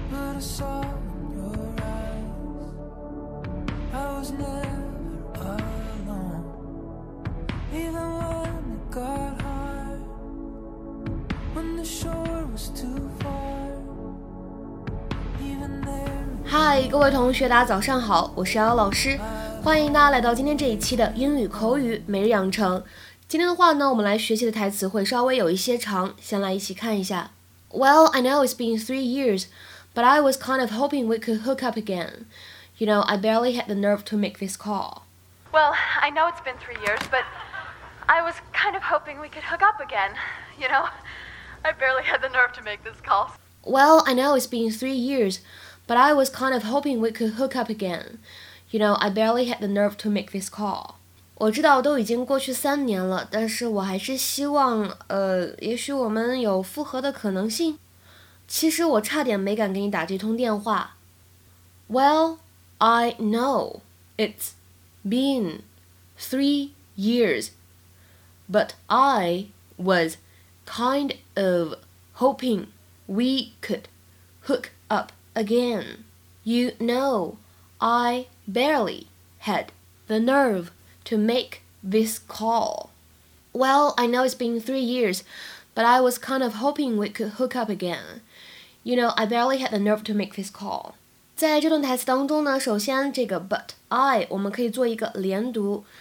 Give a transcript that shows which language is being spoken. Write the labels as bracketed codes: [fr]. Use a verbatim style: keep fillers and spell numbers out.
[en] But I saw in your eyes I was never alone. Even when it got hard, when the shore was too far, even there. [zh] 嗨，各位同学，大家早上好，我是瑶瑶老师。欢迎大家来到今天这一期的英语口语每日养成。今天的话呢，我们来学习的台词会稍微有一些长，先来一起看一下。 [en] Well, I know it's been three years, but I was kind of hoping we could hook up again. You know, I barely had the nerve to make this call. Well, I know it's been three years, but I was kind of hoping we could hook up again. You know, I barely had the nerve to make this call. Well, I know it's been three years, but I was kind of hoping we could hook up again. You know, I barely had the nerve to make this call. [zh] 我知道都已经过去三年了，但是我还是希望，呃，也许我们有复合的可能性。其实我差点没敢给你打这通电话。 [en] Well, I know it's been three years, but I was kind of hoping we could hook up again. You know, I... barely had the nerve to make this call. Well, I know it's been three years, but I was kind of hoping we could hook up again. You know, I barely had the nerve to make this call. [zh] 在这段台词当中呢，首先这个 but I 我们可以做一个连读。